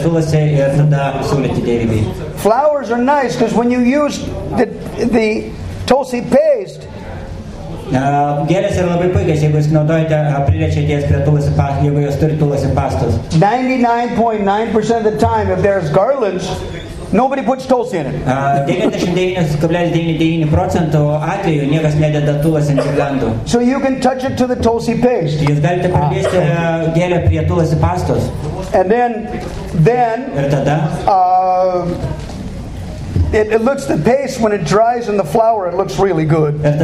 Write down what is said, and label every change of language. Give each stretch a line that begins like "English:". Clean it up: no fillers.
English: Flowers are nice because when you use the Tulsi paste,
Lithuanian: Gėlės yra labai puikios, jeigu jūs naudojate priliečiai ties prie tulasi pastos, jeigu jūs turite tulasi pastos.
English: 99.9% of the time, if there's garlands, nobody puts Tulsi in it.
Lithuanian: 99.99% atveju niekas nededa tulasi ant girlandų.
English: So you can touch it to the Tulsi paste.
Lithuanian: Jūs galite priliesti gėlę prie tulasi pastos.
English: And then
Lithuanian: ir tada,
English: It looks the paste when it dries in the flower, it looks really good.